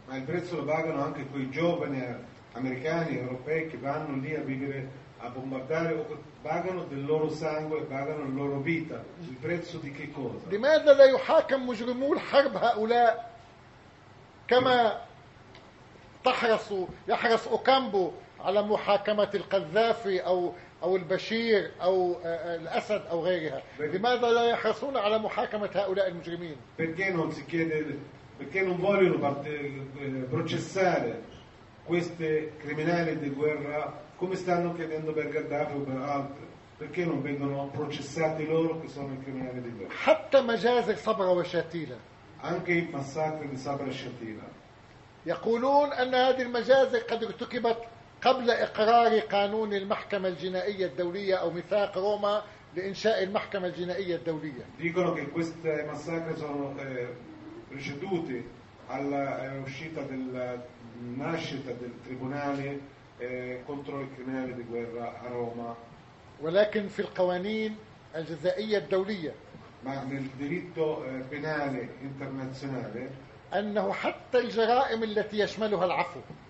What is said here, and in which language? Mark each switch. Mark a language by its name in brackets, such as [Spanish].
[Italian] Ma il prezzo lo pagano anche quei giovani americani e europei che vanno lì a vivere a bombardare, pagano del loro sangue, pagano la loro vita. Il prezzo di che cosa? [Arabic] لماذا لا يحاكم مجرمو الحرب هؤلاء كما يحرص أوكامبو على محاكمة القذافي أو البشير أو الأسد أو غيرها؟ لماذا لا يحرصون على محاكمة هؤلاء المجرمين؟ [Italian] Perché non si chiede, perché non vogliono processare questi criminali di guerra come stanno chiedendo per Gaddafi o per altri? Perché non vengono processati loro che sono i criminali di guerra? [Arabic] حتى مجازر صبرا وشاتيلا. [Italian] Anche i massacri di Sabra e Shatila. [Arabic] يقولون أن هذه المجازر قد ارتكبت قبل إقرار قانون المحكمة الجنائية الدولية أو ميثاق روما لإنشاء المحكمة الجنائية الدولية. [Italian] Dicono che queste massacre sono precedute alla uscita della nascita del tribunale contro i criminali di guerra a Roma. [Arabic] ولكن في القوانين الجزائية الدولية. [Italian] Ma nel diritto penale internazionale. [Arabic] أنه حتى الجرائم التي يشملها العفو.